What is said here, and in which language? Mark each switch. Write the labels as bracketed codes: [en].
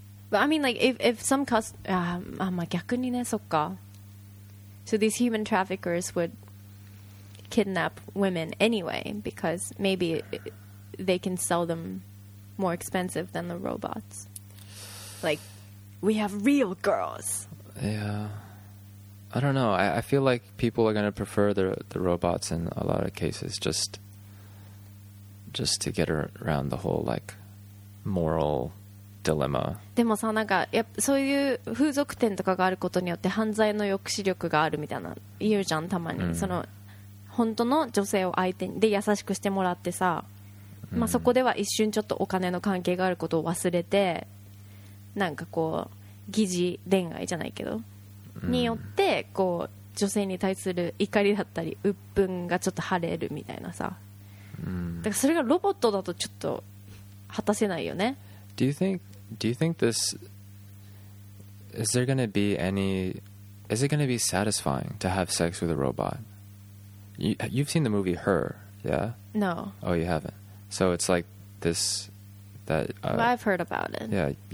[en] But I mean, like, if some So these human traffickers would kidnap women anyway, because maybe they can sell them more expensive than the robots. Like, we have real girls. Yeah. I don't know. I feel like people are going to prefer the robots in a lot of cases, just to get around the whole, like, moral... Dilemma. [ja] でもさなんかやっぱそういう風俗店とかがあることによって犯罪の抑止力があるみたいな言うじゃんたまに、mm. その本当の女性を相手にで優しくしてもらってさ、まあ、そこでは一瞬ちょっとお金の関係があることを忘れてなんかこう疑似恋愛じゃないけど、mm. によってこう女性に対する怒りだったり鬱憤がちょっと晴れるみたいなさ、 mm. だからそれがロボットだとちょっと果たせないよね。 [en] Do you think this is there going to be any is it going to be satisfying to have sex with a robot? You've seen the movie Her, yeah? No. Oh, you haven't. So it's like this that well, I've heard about it.